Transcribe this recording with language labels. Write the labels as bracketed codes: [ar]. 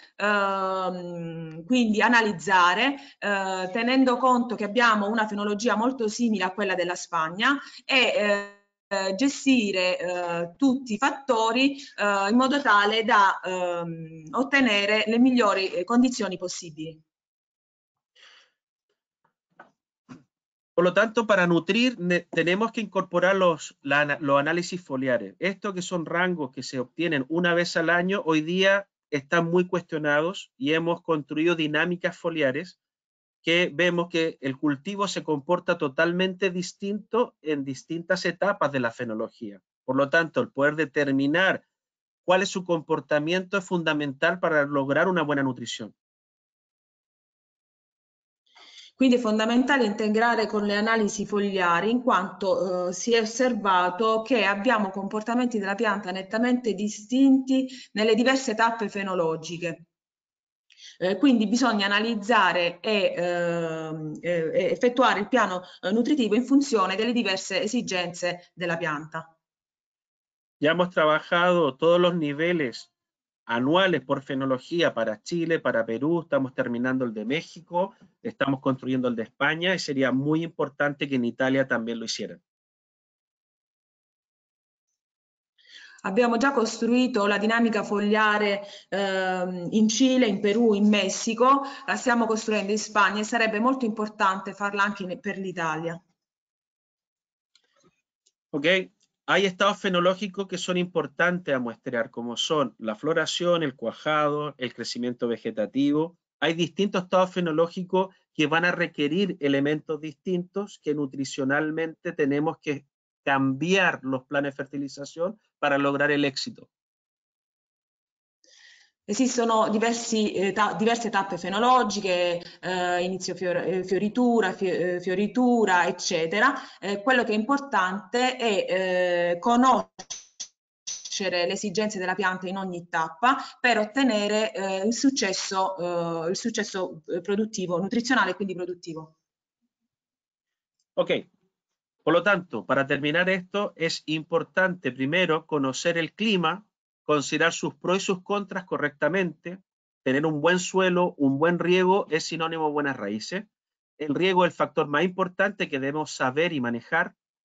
[it] Quindi analizzare tenendo conto che abbiamo una fenologia molto simile a quella della Spagna e gestire tutti i fattori in modo tale da ottenere le migliori condizioni possibili. [es] Por lo tanto, para nutrir tenemos que incorporar los análisis foliares. Esto que son rangos que se obtienen una vez al año, hoy día están muy cuestionados y hemos construido dinámicas foliares que vemos que el cultivo se comporta totalmente distinto en distintas etapas de la fenología. Por lo tanto, el poder determinar cuál es su comportamiento es fundamental para lograr una buena nutrición. [it] Quindi è fondamentale integrare con le analisi fogliari, in quanto si è osservato che abbiamo comportamenti della pianta nettamente distinti nelle diverse tappe fenologiche. Quindi bisogna analizzare e effettuare il piano nutritivo in funzione delle diverse esigenze della pianta. [es] Ya hemos trabajado todos los niveles anuales por fenología para Chile, para Perú, estamos terminando el de México, estamos construyendo el de España y sería muy importante que en Italia también lo hicieran. [it] Abbiamo già costruito la dinamica fogliare in Cile, in Perù, in Messico, la stiamo costruendo in Spagna e sarebbe molto importante farla anche per l'Italia. [es] Ok, hay estados fenológicos que son importantes a muestrear, como son la floración, el cuajado, el crecimiento vegetativo. Hay distintos estados fenológicos que van a requerir elementos distintos que nutricionalmente tenemos que cambiar los planes de fertilización para lograr el éxito. [it] Esistono diverse tappe fenologiche, inizio fioritura, fioritura, eccetera. Quello che è importante è conoscere le esigenze della pianta in ogni tappa per ottenere il successo produttivo, nutrizionale e quindi produttivo. [es] Ok, por lo tanto, para terminar esto, es importante primero conocer el clima, considerar sus pros y sus contras correctamente. Tener un buen suelo, un buen riego es sinónimo de buenas raíces. El riego es el factor más importante que debemos saber y manejar.